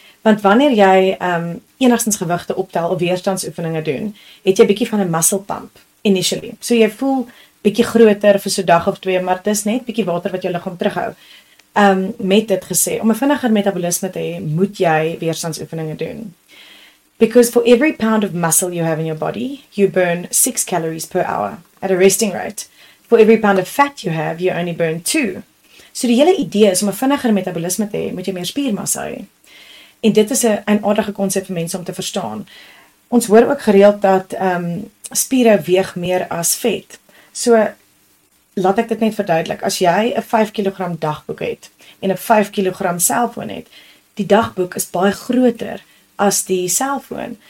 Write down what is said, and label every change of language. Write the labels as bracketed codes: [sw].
[af] Want wanneer jy enigstens gewigte optel of weerstandsoefeninge doen, het jy bietjie van 'n muscle pump, initially. So jy voel bietjie groter vir so 1 of 2, maar dis net bietjie water wat jou liggaam terughou. Met dit gesê, om 'n vinniger metabolisme te hê, moet jy weerstandsoefeninge doen. [en] Because for every pound of muscle you have in your body, you burn 6 calories per hour at a resting rate. For every pound of fat you have, you only burn 2. [af] So die hele idee is om 'n vinniger metabolisme te hê, moet jy meer spiermassa hê. En dit is 'n aardige konsep vir mense om te verstaan. Ons hoor ook gereeld dat spiere weeg meer as vet. So, laat ek dit net verduidelik. As jy 'n 5 kg dagboek het en 'n 5 kg selfoon het, die dagboek is baie groter as die selfoon.